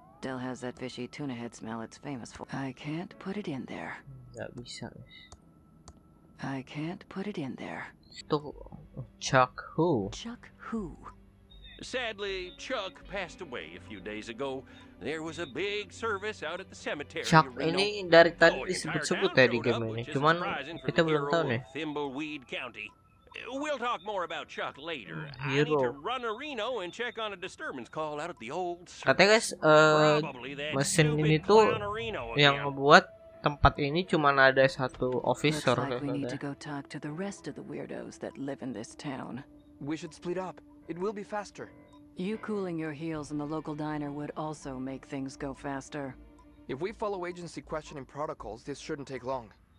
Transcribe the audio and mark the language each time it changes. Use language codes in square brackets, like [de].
[en] Del has that fishy tuna head smell it's famous for. I can't put it in there. [id] Enggak bisa, guys. [en] I can't put it in there. Chuck who? Chuck who? Sadly, Chuck passed away a few days ago. There was a big service out at the cemetery. [id] Chuck ini dari tadi disebut-sebut ya di game ini. Cuman kita belum tahu nih. Thimbleweed County. [en] We'll talk more about Chuck later. I need to run a Reno and check on a disturbance call out at the old. [id] Katanya guys, mesin ini tuh yang membuat tempat ini cuma ada satu officer. [en] Looks like we need to go talk to the rest of the weirdos that live in this town. We should split up. It will be faster. You cooling your heels in the local diner would also make things go faster. If we follow agency questioning protocols, this shouldn't take long.